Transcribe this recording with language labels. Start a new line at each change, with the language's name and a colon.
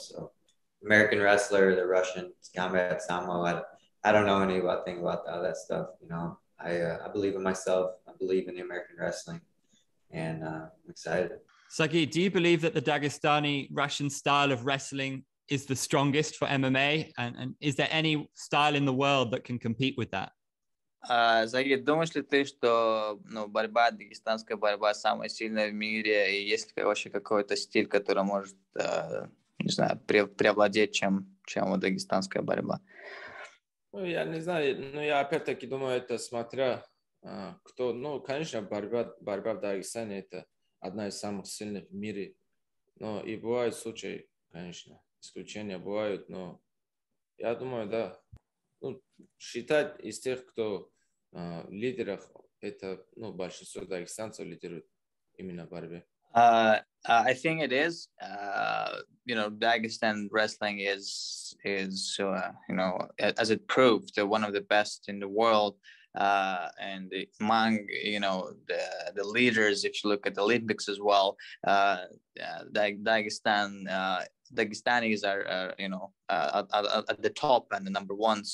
English: So American wrestler, the Russian, combat sambo, I don't know anything about all that stuff. You know, I believe in myself. I believe in the American wrestling, and I'm excited. Saygid, do you believe that the Dagestani-Russian style of wrestling is the strongest for MMA? And is there any style in the world that can compete with that?
Russian: Saygid, думаешь ли ты, что борьба, дагестанская борьба, самая сильная в мире? И есть ли вообще какой-то стиль, который может, не знаю, преобладеть, чем дагестанская борьба? Ну, я не знаю. Ну, я опять-таки думаю, это смотря кто. Ну, конечно, борьба в Дагестане – это одна из самых сильных в мире. Но и бывают случаи, конечно, исключения бывают, но я думаю, да. Ну, считать из тех, кто в лидерах, это, ну, большинство дагестанцев лидируют именно в борьбе.
English: I think it is. You know, Dagestan wrestling is you know, as it proved, one of the best in the world. And among, you know, the leaders, if you look at the Olympics as well, Dagestanis are at the top and the number one.